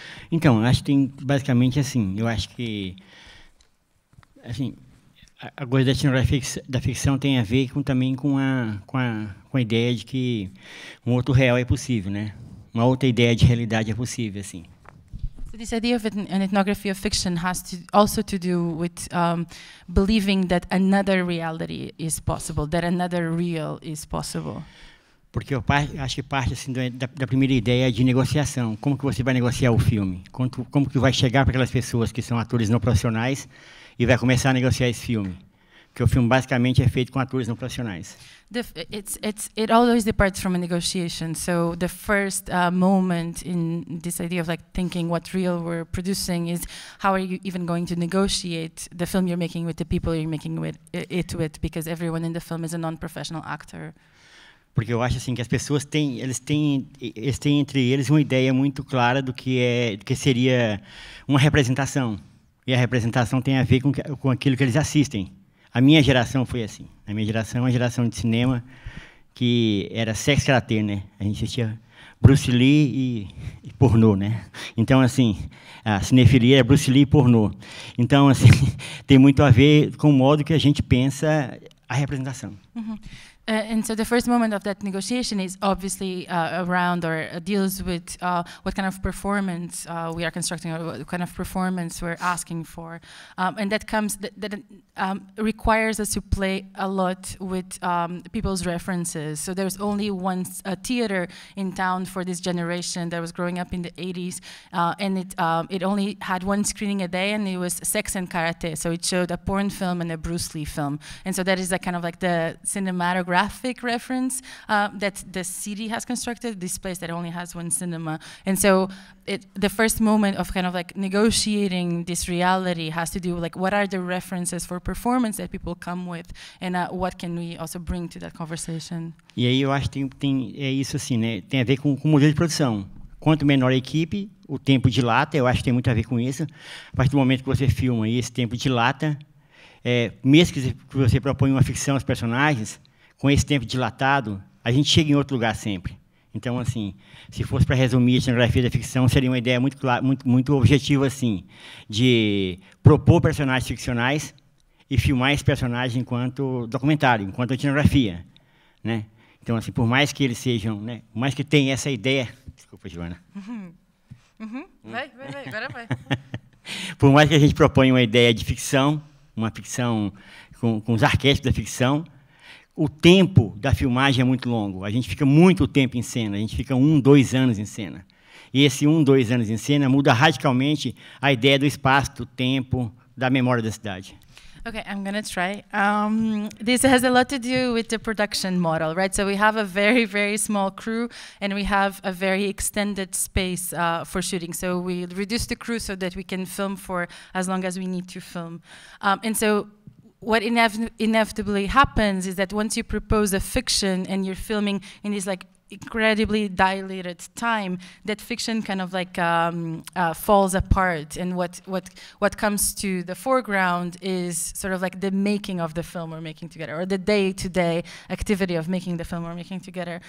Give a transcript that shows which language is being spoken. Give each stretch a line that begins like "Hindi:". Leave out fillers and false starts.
Portuguese: Então, eu acho que tem basicamente assim, eu acho que assim, a coisa da etnografia da ficção tem a ver com, também com a ideia de que um outro real é possível, né? Uma outra ideia de realidade é possível, assim.
English: So this idea of an ethnography of fiction has to also to do with believing that another reality is possible, that another real is possible.
Portuguese: Porque eu acho que parte assim da primeira ideia de negociação. Como que você vai negociar o filme? Como que vai chegar para aquelas pessoas que são atores não profissionais e vai começar a negociar esse filme? Porque o filme basicamente é feito com atores não profissionais.
English: It always departs from a negotiation. So the first moment in this idea of like thinking what real we're producing is how are you even going to negotiate the film you're making with the people you're making it with? Because everyone in the film is a non-professional actor.
Portuguese: Porque eu acho assim que as pessoas têm, eles têm entre eles uma ideia muito clara do que seria uma representação. E a representação tem a ver com aquilo que eles assistem. A minha geração foi assim. A minha geração é uma geração de cinema que era sexo caráter, né? A gente assistia Bruce Lee e pornô, né? Então assim, a cinefilia é Bruce Lee e pornô. Então assim, tem muito a ver com o modo que a gente pensa a representação.
English: And so the first moment of that negotiation is obviously around or deals with what kind of performance we are constructing, or what kind of performance we're asking for. And that comes that requires us to play a lot with people's references. So there's only one theater in town for this generation that was growing up in the 80s. And it only had one screening a day, and it was Sex and Karate. So it showed a porn film and a Bruce Lee film. And so that is a kind of like the cinematographic reference that the city has constructed, this place that only has one cinema. And so the first moment of kind of like negotiating this reality has to do with like, what are the references for performance that people come with, and what can we also bring to that conversation?
Portuguese: E aí eu acho que tem é isso assim, né? Tem a ver com o modelo de produção. Quanto menor a equipe, o tempo dilata, eu acho que tem muito a ver com isso. A partir do momento que você filma e esse tempo dilata, mesmo que você propõe uma ficção aos personagens, com esse tempo dilatado, a gente chega em outro lugar sempre. Então, assim, se fosse para resumir a etnografia da ficção, seria uma ideia muito clara, muito objetiva, assim, de propor personagens ficcionais e filmar esse personagem enquanto documentário, enquanto etnografia, né? Então, assim, por mais que eles sejam, né, por mais que tenha essa ideia... Desculpa, Joana. Vai. Por mais que a gente proponha uma ideia de ficção, uma ficção com os arquétipos da ficção, o tempo da filmagem é muito longo. A gente fica muito tempo em cena. A gente fica 1-2 anos em cena. E esse 1-2 anos em cena muda radicalmente a ideia do espaço, do tempo, da memória da cidade.
English: Okay, I'm gonna try. This has a lot to do with the production model, right? So we have a very, very small crew, and we have a very extended space for shooting. So we reduce the crew so that we can film for as long as we need to film. And so what inevitably happens is that once you propose a fiction and you're filming in this like incredibly dilated time, that fiction kind of like falls apart, and what comes to the foreground is sort of like the making of the film we're making together, or the day-to-day activity of making the film we're making together.